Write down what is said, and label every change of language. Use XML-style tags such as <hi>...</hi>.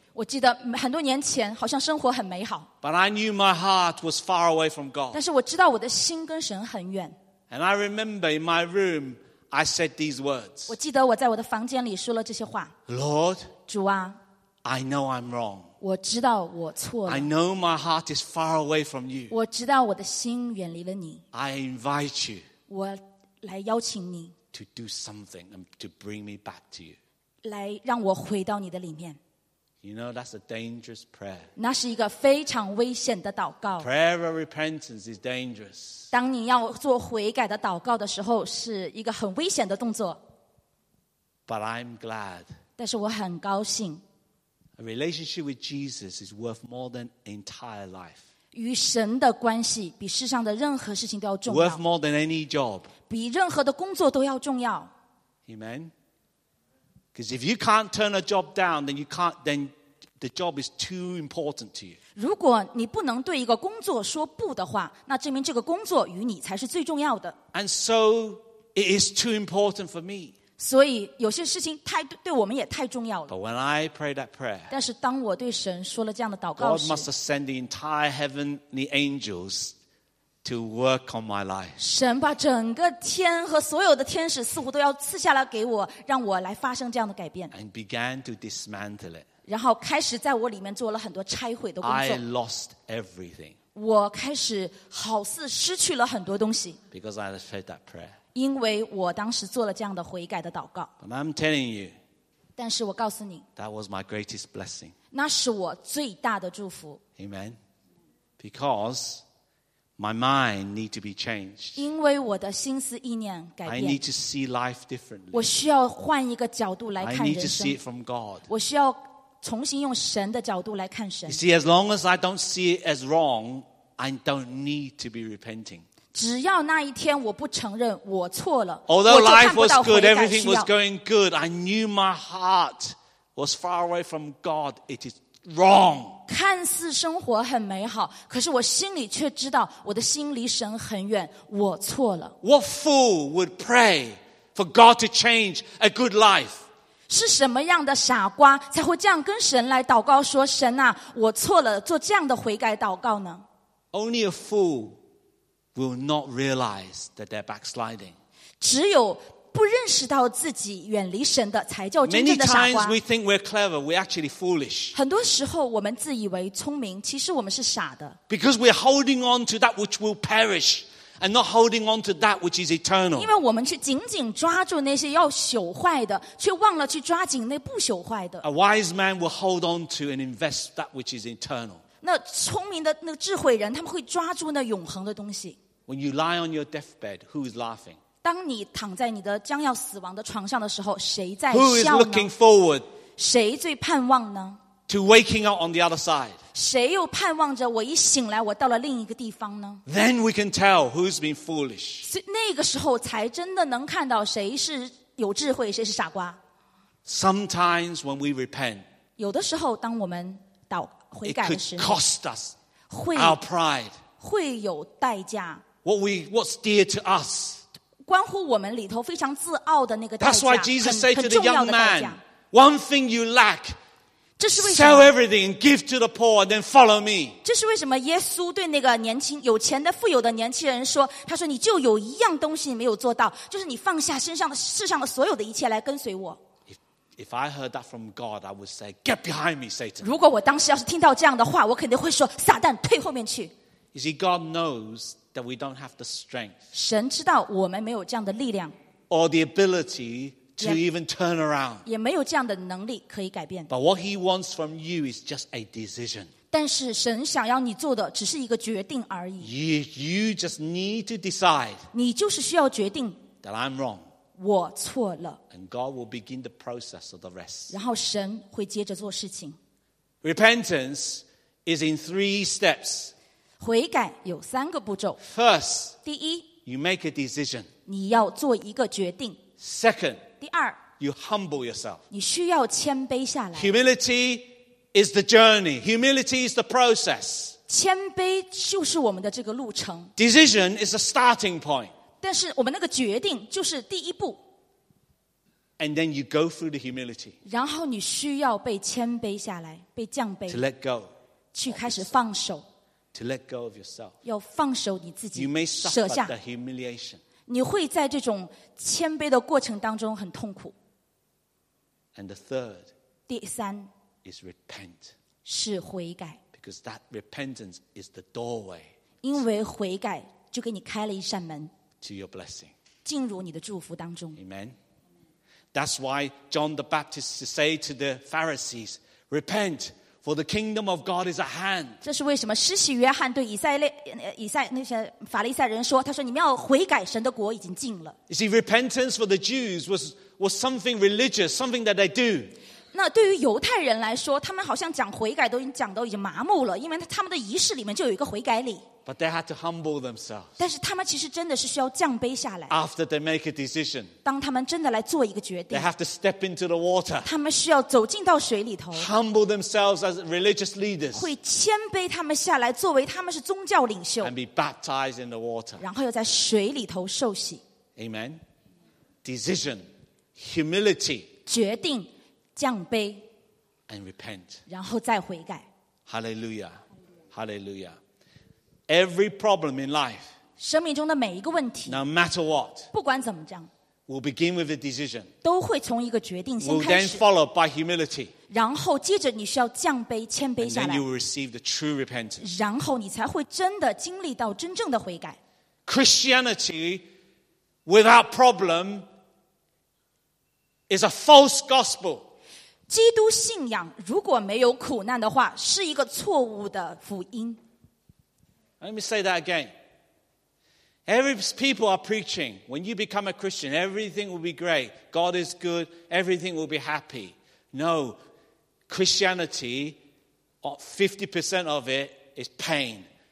<zh>我记得很多年前好像生活很美好。</zh> <en>But I knew my heart was far away from God.</en> <zh>但是我知道我的心跟神很远。</zh> <en>And I remember in my room, I said these words.</en> <zh>我记得我在我的房间里说了这些话。</zh> <en>Lord,</en> <zh>主啊</zh> <en>I know I'm wrong.</en> <zh>我知道我错了。</zh> <en>I know my heart is far away from you.</en> <zh>我知道我的心远离了你。</zh> <en>I invite you.</en> <zh>我来邀请你。</zh> <en>To do something and to bring me back to you.</en> <zh>来让我回到你的里面。</zh> <en>You know, that's a dangerous prayer.</en> <zh>那是一个非常危险的祷告。</zh> <en>Prayer of repentance is dangerous.</en> <zh>当你要做悔改的祷告的时候，是一个很危险的动作。</zh> <en>But I'm glad.</en> <zh>但是我很高兴。</zh> <en>A relationship with Jesus is worth more than entire life.</en> <zh>与神的关系比世上的任何事情都要重要。</zh> <en>Worth more than any job.</en> <zh>比任何的工作都要重要。</zh> <en>Amen. Because if you can't turn a job down, then you can't. Then the job is too important to you.</en> <zh>如果你不能对一个工作说不的话，那证明这个工作与你才是最重要的。</zh> <en>And so it is too important for me.</en> <zh>所以有些事情太对我们也太重要了。</zh> <en>But when I pray that prayer,</en> <zh>但是当我对神说了这样的祷告时</zh> <en>，God must send the entire heavenly angels to work on my life.</en> <zh>神把整个天和所有的天使似乎都要赐下来给我，让我来发生这样的改变。</zh> <en>And began to dismantle it.</en> <zh>然后开始在我里面做了很多拆毁的工作。</zh> <en>I lost everything.</en> <zh>我开始好似失去了很多东西。</zh> <en>Because I said that prayer.</en> <zh>因为我当时做了这样的悔改的祷告。</zh> <en>But I'm telling you.</en> <zh>但是我告诉你。</zh> <en>That was my greatest blessing.</en> <zh>那是我最大的祝福。</zh> <en>Amen. Because. My mind needs to be changed.</en> <zh>因为我的心思意念改变。</zh> <en>I need to see life differently.</en> <zh>我需要换一个角度来看人生。</zh> <en>I need to see it from God.</en> <zh>我需要重新用神的角度来看神。</zh> <en>You see, as long as I don't see it as wrong, I don't need to be repenting.</en> <zh>只要那一天我不承认我错了。</zh> <en>Although life was good, everything was going good, I knew my heart was far away from God. It is wrong.</en> <zh>看似生活很美好，可是我心里却知道我的心离神很远，我错了。</zh> <en>What fool would pray for God to change a good life?</en> <zh>是什么样的傻瓜才会这样跟神来祷告说，神啊，我错了，做这样的悔改祷告呢？</zh> <en>Only a fool will not realize that they're backsliding.</en> <zh>只有不认识到自己远离神的才叫真正的傻瓜。</zh> <en>Many times we think we're clever, we're actually foolish.</en> <zh>很多时候我们自以为聪明，其实我们是傻的。</zh> <en>Because we're holding on to that which will perish, and not holding on to that which is eternal.</en> <zh>因为我们去紧紧抓住那些要朽坏的，却忘了去抓紧那不朽坏的。</zh> <en>A wise man will hold on to and invest that which is eternal.</en> <zh>那聪明的那智慧人，他们会抓住那永恒的东西。</zh> <en>When you lie on your deathbed, who is laughing?</en> <zh>当你躺在你的将要死亡的床上的时候，谁在笑呢？</zh> <en>Who is looking forward?</en> <zh>谁最盼望呢？</zh> <en>To waking up on the other side.</en> <zh>谁又盼望着我一醒来，我到了另一个地方呢？</zh> <en>Then we can tell who's been foolish.</en> <zh>那个时候才真的能看到谁是有智慧，谁是傻瓜。</zh> <en>Sometimes when we repent,</en> <zh>有的时候当我们祷悔改的时候，</zh> <en>it could cost us our pride.</en> <zh>会有代价。</zh> <en>What's dear to us?</en> <zh>关乎我们里头非常自傲的那个代价。</zh> <en>That's why Jesus said to the young man, "One thing you lack.</en> <zh>这是为什么</zh> <en>Sell everything, give to the poor, then follow me."</en> <zh>这是为什么耶稣对那个年轻有钱的富有的年轻人说，他说你就有一样东西没有做到，就是你放下身上的世上的所有的一切来跟随我。</zh> <en>If I heard that from God, I would say, "Get behind me, Satan."</en> <zh>如果我当时要是听到这样的话，我肯定会说，撒旦，退后面去。</zh> <en>You see, God knows. That we don't have the strength.</en> <zh>神知道我们没有这样的力量</zh> <en>or the ability to even turn around.</en> <zh>也没有这样的能力可以改变</zh> <en>But what he wants from you is just a decision.</en> <zh>但是神想要你做的只是一个决定而已</zh> <en>You just need to decide.</en> <zh>你就是需要决定</zh> <en>That I'm wrong.</en> <zh>我错了</zh> <en>And God will begin the process of the rest.</en> <zh>然后神会接着做事情</zh> <en>Repentance is in three steps.</en> <zh>悔改有三个步骤。</zh> <en>First,</en> <zh>第一</zh> <en>you make a decision.</en> <zh>你要做一个决定。</zh> <en>Second,</en> <zh>第二</zh> <en>you humble yourself.</en> <zh>你需要谦卑下来。</zh> <en>Humility is the journey. Humility is the process.</en> <zh>谦卑就是我们的这个路程。</zh> <en>Decision is a starting point.</en> <zh>但是我们那个决定就是第一步。</zh> <en>And then you go through the humility.</en> <zh>然后你需要被谦卑下来，被降卑。</zh> <en>To let go.</en> <zh>去开始放手。</zh> <en>To let go of yourself.</en> <zh>要放手你自己</zh> <en>You may suffer the humiliation.</en> <zh>你会在这种谦卑的过程当中很痛苦。</zh> <en>And the third.</en> <zh>第三</zh> <en>is repent.</en> <zh>是悔改。</zh> <en>Because that repentance is the doorway.</en> <zh>因为悔改就给你开了一扇门。</zh> <en>To your blessing.</en> <zh>进入你的祝福当中。</zh> <en>Amen. That's why John the Baptist said to the Pharisees, repent. For the kingdom of God is at hand.</en> <zh>这是为什么施洗约翰对那些法利赛人说，他说你们要悔改，神的国已经近了。</zh> <en>You see, repentance for the Jews was something religious, something that they do.</en> <zh>那对于犹太人来说，他们好像讲悔改都讲到已经麻木了，因为他们的仪式里面就有一个悔改礼。</zh> <en>But they had to humble themselves.</en> <zh>但是他们其实真的是需要降卑下来。</zh> <en>After they make a decision.</en> <zh>当他们真的来做一个决定。</zh> <en>They have to step into the water.</en> <zh>他们需要走进到水里头。</zh> <en>Humble themselves as religious leaders.</en> <zh>会谦卑他们下来，作为他们是宗教领袖。</zh> <en>And be baptized in the water.</en> <zh>然后又在水里头受洗。</zh> <en>Amen. Decision, humility.</en> <zh>决定，降卑。</zh> <en>And repent.</en> <zh>然后再悔改。</zh> <en>Hallelujah. Hallelujah. Every problem in life</en> <zh>生命中的每一个问题</zh> <en>no matter what,</en> <zh>不管怎么样</zh> <en>we'll begin with a decision,</en> <zh>都会从一个决定先开始</zh> <en>we'll then follow by humility,</en> <zh>然后接着你需要降卑谦卑下来</zh> <en>and then you'll receive the true repentance,</en> <zh>然后你才会真的经历到真正的悔改</zh> <en>Christianity without problem is a false gospel,</en> <zh>基督信仰如果没有苦难的话是一个错误的福音</zh> <en>Let me say that againEvery people are preaching, when you become a Christian, everything will be great. God is good. Everything will be happy. No, Christianity, 50% of it is pain.</en>